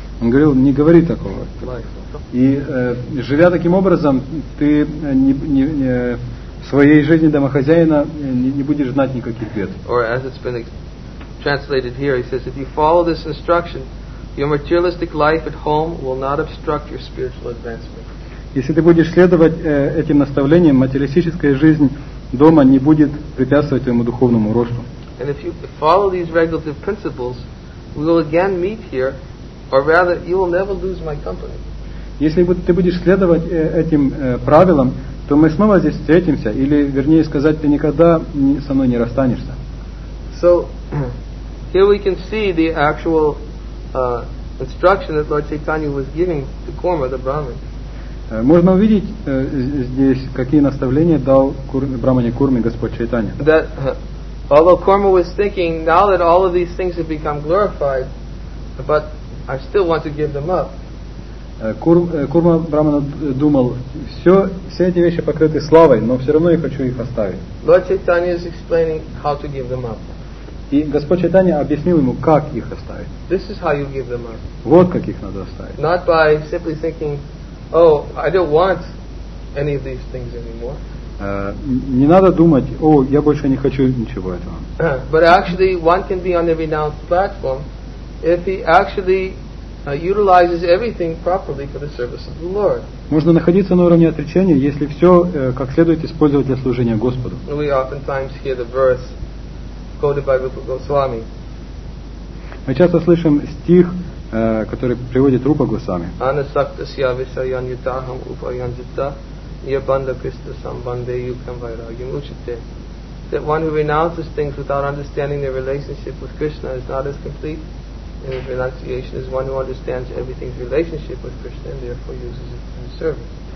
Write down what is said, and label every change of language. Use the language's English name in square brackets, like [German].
[Russian] Он говорил, не говори такого. И живя таким образом, ты в своей жизни домохозяина не будешь знать никаких бед. [English] Or as it's been translated here, he says, if you follow this instruction, your materialistic life at home will not obstruct your spiritual advancement. [Russian] Если ты будешь следовать этим наставлениям, материалистическая жизнь дома не будет препятствовать твоему духовному росту. [English] And if you follow these regulative principles, we will again meet here, or rather, you will never lose my company. [Russian] Если ты будешь следовать этим правилам, то мы снова здесь встретимся, или, вернее сказать, ты никогда со мной не расстанешься. [English] So here we can see the actual instruction that Lord Chaitanya was giving to Korma, the Brahmin. [Russian] Можно увидеть здесь, какие наставления дал Брахмане Курме Господь Чайтанья. [English] That although Korma was thinking, now that all of these things have become glorified, but I still want to give them up. [Russian] Курма Брахмана думал, все эти вещи покрыты славой, но все равно я хочу их оставить. [English] Lord Chaitanya is explaining how to give them up. [Russian] И Господь Чайтанья объяснил ему, как их оставить. [English] This is how you give them up. [Russian] Вот как их надо оставить. [English] Not by simply thinking, oh, I don't want any of these things anymore. [Russian] Не надо думать, о, я больше не хочу ничего этого. [English] But actually, one can be on the renounced platform if he actually utilizes everything properly for the service of the Lord. [Russian] Можно находиться на уровне отречения, если все как следует использовать для служения Господу. [English] We oftentimes hear the verse quoted by Rupa Goswami. [Russian] Мы часто слышим стих, который приводит Рупа Госвами. [English] That one who renounces things without understanding their relationship with Krishna is not as complete in his renunciation as one who understands everything's relationship with Krishna and therefore uses it in his service.